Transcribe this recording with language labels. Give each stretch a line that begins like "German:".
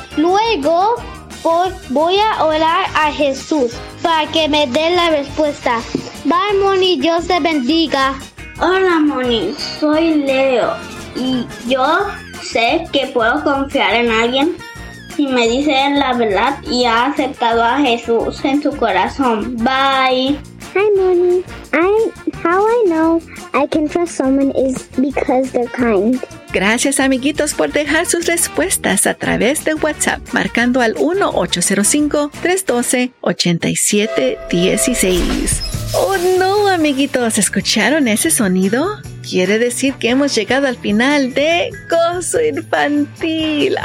Spanish: Luego, voy a orar a Jesús para que me dé la respuesta.
English: Bye,
Spanish: Moni, Dios te bendiga. Hola, Moni, soy Leo y yo sé que puedo confiar en alguien si me dice la verdad y ha aceptado a Jesús en su corazón.
English: Bye. Hi, Moni. How I know I can trust someone is because they're kind.
Spanish: Gracias, amiguitos, por dejar sus respuestas a través de WhatsApp marcando al 1-805-312-8716. ¡Oh, no, amiguitos! ¿Escucharon ese sonido? Quiere decir que hemos llegado al final de Gozo Infantil.